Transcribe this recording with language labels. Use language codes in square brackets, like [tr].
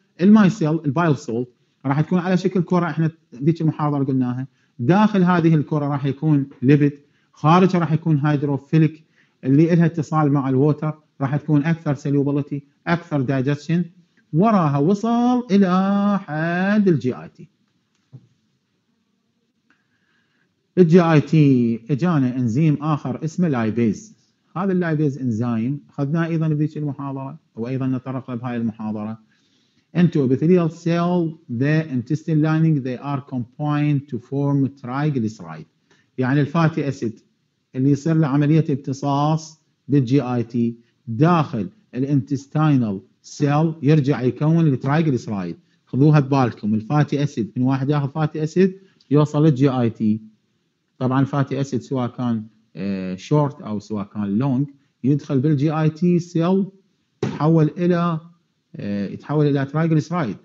[ar] المايسيل البايل salt راح تكون على شكل كرة، احنا ذيك المحاضرة قلناها، داخل هذه الكره راح يكون ليبيد، خارج راح يكون هيدروفيليك اللي لها اتصال مع الووتر، راح تكون اكثر سلوبيليتي، اكثر دايجستشن، وراها وصل الى حد الجي اي تي. الجي اي تي اجانا انزيم اخر اسمه لايبيز. هذا اللايبيز انزيم اخذناه ايضا بهذه المحاضره وايضا نتطرق له بهاي المحاضره. [en] Into epithelial cell, the intestine lining, they are combined to form triglyceride. [ar] يعني الفاتي أسيد اللي يصير لعملية امتصاص بالجي آي تي داخل الانتستينال سيل يرجع يكون الترايجليسرايد. خذوها ببالكم، الفاتي اسيد من واحد ياخذ فاتي اسيد يوصل للجي اي تي. طبعا الفاتي اسيد سواء كان شورت او سواء كان لونج يدخل بالجي اي تي سيل تحول الى يتحول الى ترايجليسرايد.